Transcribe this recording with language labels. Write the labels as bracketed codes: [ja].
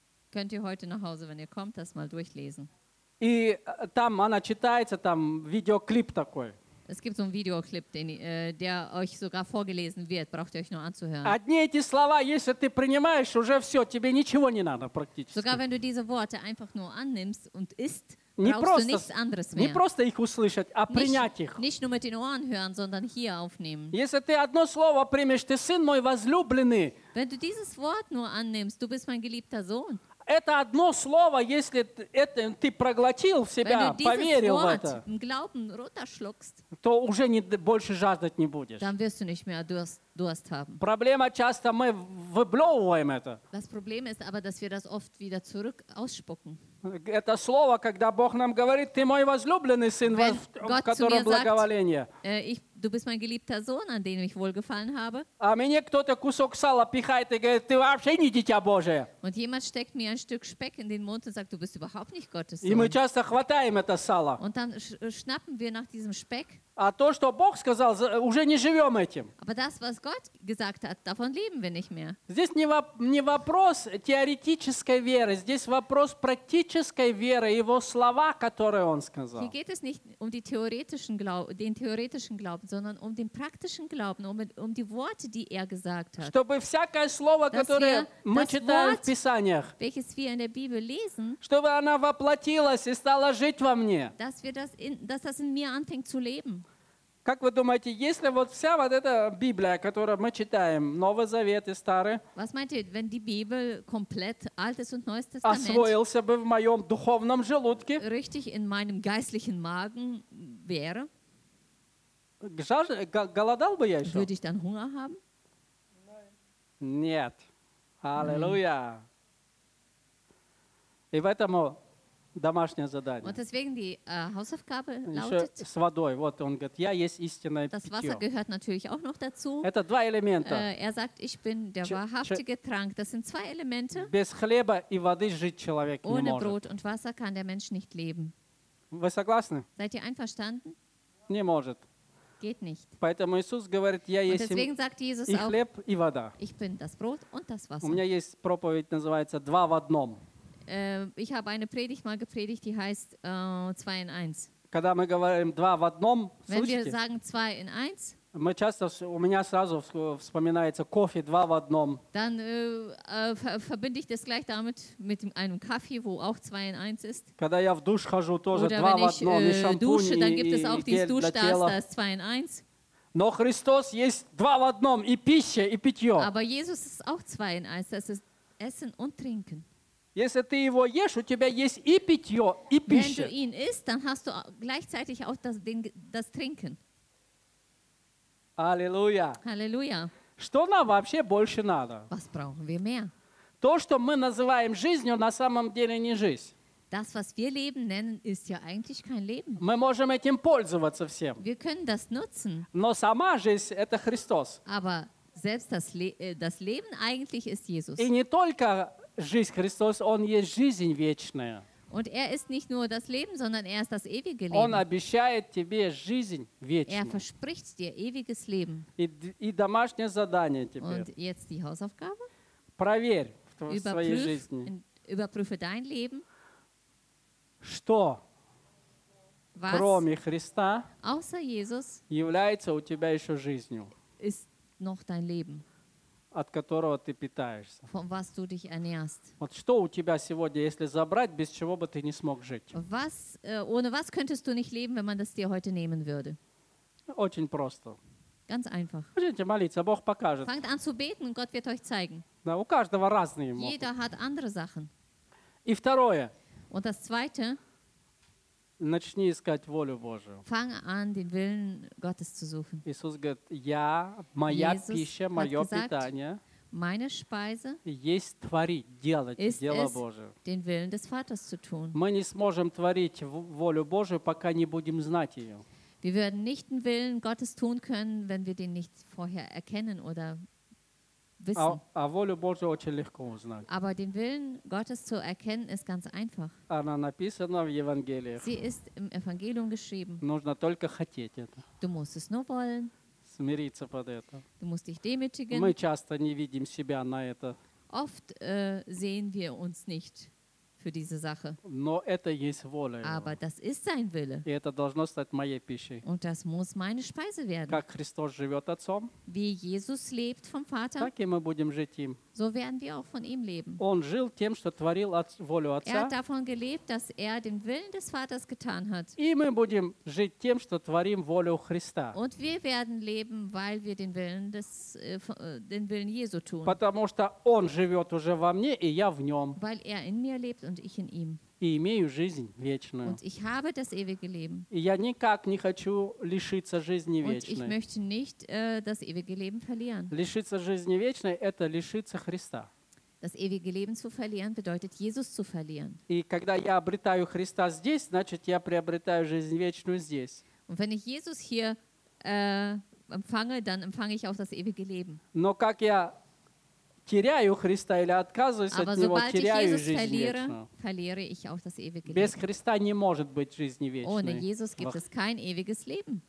[de] Könnt ihr heute nach Hause, wenn ihr kommt, das mal durchlesen. [ru] И там она читается, там видеоклип такой. [de] Es gibt so einen Videoclip, der euch sogar vorgelesen wird. Braucht ihr euch nur anzuhören. [ru] Одни эти слова, если ты принимаешь, уже все, тебе ничего не надо практически. [de] Sogar wenn du diese Worte einfach nur annimmst und isst, brauchst du nichts anderes mehr. [ru] Не просто их услышать, а принять их. [de] Nicht nur mit den Ohren hören, sondern hier aufnehmen. [ru] Если ты одно слово примешь, ты сын мой возлюбленный. [de] Wenn du dieses Wort nur annimmst, du bist mein geliebter Sohn. [ru] Это одно слово, если это, ты проглотил себя, поверил в это, [de] im Glauben runterschluckst, [ru] то уже не, больше жаждать не будешь. [de] Dann wirst du nicht mehr Durst haben. [ru] Проблема часто, мы выблевываем это. [de] Das Problem ist aber, dass wir das oft wieder zurück ausspucken. [ru] Это слово, когда Бог нам говорит, ты мой возлюбленный сын, [de] Wenn [ru] в котором благоволение. [de] Du bist mein geliebter Sohn, an dem ich wohlgefallen habe. [ru] А мне кто-то кусок сала пихает и говорит, ты вообще не дитя Божие. [de] Und jemand steckt mir ein Stück Speck in den Mund und sagt, du bist überhaupt nicht Gottes Sohn. [ru] И мы часто хватаем это сало. [de] Und dann schnappen wir nach diesem Speck. [ru] А то, что Бог сказал, уже не живем этим. [de] Aber das, was Gott gesagt hat, davon leben wir nicht mehr. [ru] Здесь не вопрос теоретической веры, здесь вопрос практической веры, его слова, которые он сказал. [de] Hier geht es nicht um die theoretischen den theoretischen Glauben, sondern um den praktischen Glauben, um die Worte, die er gesagt hat. [ru] Чтобы всякое слово, которое мы читаем [de] Wort, [ru] в Писаниях, [de] welches wir in der Bibel lesen, [ru] чтобы оно воплотилось и стало жить во мне, [de] dass das in mir anfängt zu leben. [ru] Как вы думаете, если вот вся вот эта Библия, которую мы читаем, Новый Завет и Старый, [de] was meint ihr, wenn die Bibel komplett, Altes und Neues Testament, [ru] освоился бы в моем духовном желудке, [de] richtig in meinem geistlichen Magen wäre, [ru] голодал бы я еще? [de] Würde ich dann Hunger haben? [ru] Нет. Аллилуйя. И поэтому... Домашнее задание. [de] Und deswegen die Hausaufgabe lautet, [ru] еще с водой. Вот он говорит, я есть истинное питье. [de] Das Wasser gehört natürlich auch noch dazu. [ru] Это два элемента. [de] Sagt, ich bin der wahrhaftige Trank. Das sind zwei Elemente. [ru] Без хлеба и воды жить человек [de] Ohne [ru] не может. [de] Ohne Brot und Wasser kann der Mensch nicht leben. [ru] Вы согласны? [de] Seid ihr einverstanden? [ru] Не может. [de] Geht nicht. [ru] Поэтому Иисус говорит, я есть [de] und deswegen sagt Jesus [ru] и хлеб, [de] auch, [ru] и вода. [de] Ich bin das Brot und das Wasser. [ru] У меня есть проповедь, называется «Два в одном». [de] Ich habe eine Predigt mal gepredigt, die heißt 2 in 1. [ru] Когда мы говорим два в одном, [de] wenn wir sagen 2 in 1, [ru] Мы часто, у меня сразу вспоминается кофе два в одном. [de] Dann verbinde ich das gleich damit mit einem Kaffee, wo auch zwei in eins ist. [ru] Когда я в душ хожу, тоже два в одном, и шампунь, [de] dusche, [ru] и [de] dann gibt es auch dieses Duschstars, zwei in eins. [ru] Но Христос есть два в одном, и пища, и питье. [de] Aber Jesus ist auch zwei in eins, das ist Essen und Trinken. [ru] Если ты его ешь, у тебя есть и питье, и пища. [de] Wenn du ihn isst, dann hast du gleichzeitig auch das Trinken. [ru] Аллилуйя. Аллилуйя. Что нам вообще больше надо? [de] Was brauchen wir mehr? [ru] То, что мы называем жизнью, на самом деле не жизнь. [de] Das, was wir Leben nennen, ist ja eigentlich kein Leben. [ru] Мы можем этим пользоваться всем. [de] Wir können das nutzen. [ru] Но сама жизнь – это Христос. [de] Aber selbst das Leben eigentlich ist Jesus. [ru] И не только жизнь Христос, Он есть жизнь вечная. [de] Und er ist nicht nur das Leben, sondern er ist das ewige Leben. [ru] Он обещает тебе жизнь вечную. [de] Er verspricht dir ewiges Leben. [ru] И домашнее задание теперь. [de] Und jetzt die Hausaufgabe. [ru] Проверь в своей жизни. [de] Überprüfe dein Leben. [ru] Что, [de] was, [ru] кроме Христа, [de] außer Jesus, [ru] является у тебя еще жизнью? [de] Ist noch dein Leben. [ru] От которого ты питаешься. [de] Von was du dich ernährst. [ru] Вот что у тебя сегодня, если забрать, без чего бы ты не смог жить? [de] Was, ohne was könntest du nicht leben, wenn man das dir heute nehmen würde? [ru] Очень просто. [de] Ganz einfach. [ru] Пойдите молиться, Бог покажет. [de] Fangt an zu beten, Gott wird euch zeigen. [ru] Да, у каждого разные могут. [de] Jeder hat andere Sachen. [ru] И второе. [de] Und das zweite. [ru] Начни искать волю Божию. [de] Fang an, den Willen Gottes zu suchen. [ru] Иисус говорит, я, моя [de] Jesus [ru] пища, мое [de] gesagt, [ru] питание [de] meine Speise [ru] есть творить, делать [de] ist [ru] дело [de] es, [ru] Божие. [de] Den Willen des Vaters zu tun. [ru] Мы не сможем творить волю Божию, пока не будем знать ее. [de] Wir werden nicht den Willen Gottes tun können, wenn wir den nicht vorher erkennen oder wissen. [ru] А волю Божию очень легко узнать. [de] Aber den Willen Gottes zu erkennen ist ganz einfach. [ru] Она написана в Евангелиях. [de] Sie ist im Evangelium geschrieben. [ru] Нужно только хотеть это. [de] Du musst es nur wollen. [ru] Смириться под это. [de] Du musst dich demütigen. [ru] Мы часто не видим себя на это. [de] Oft sehen wir uns nicht für diese Sache. [ru] Но это есть воля Его. [de] Aber das ist sein Wille. [ru] И это должно стать моей пищей. [de] Und das muss meine Speise werden. [ru] Как Христос живет Отцом. [de] Wie Jesus lebt vom Vater. [ru] Так и мы будем жить им. [de] So werden wir auch von ihm leben. [ru] Он жил тем, что творил волю Отца. [de] Er hat davon gelebt, dass er den Willen des Vaters getan hat. [ru] И мы будем жить тем, что творим волю Христа. [de] Und wir werden leben, weil wir den Willen den Willen Jesu tun. [ru] Потому что Он живет уже во мне, и я в Нем. [de] Weil er in mir lebt und ich in ihm. [ru] И имею жизнь вечную. [de] Und ich habe das ewige Leben. [ru] И я никак не хочу лишиться жизни вечной. [de] Und ich möchte nicht das ewige Leben verlieren. [ru] Лишиться жизни вечной – это лишиться Христа. [de] Das ewige Leben zu verlieren bedeutet, Jesus zu verlieren. [ru] И когда я обретаю Христа здесь, значит, я приобретаю жизнь вечную здесь. [de] Und wenn ich Jesus hier empfange, dann empfange ich auch das ewige Leben. [ru] Но как я теряю Христа или отказываюсь [de] Aber [ru] от Него, теряю [de] Jesus [ru] жизнь [de] verliere, [ru] вечную. [de] Verliere ich auch das ewige Leben. [ru] Без Христа не может быть жизни вечной. [de] Ohne Jesus gibt es kein ewiges Leben.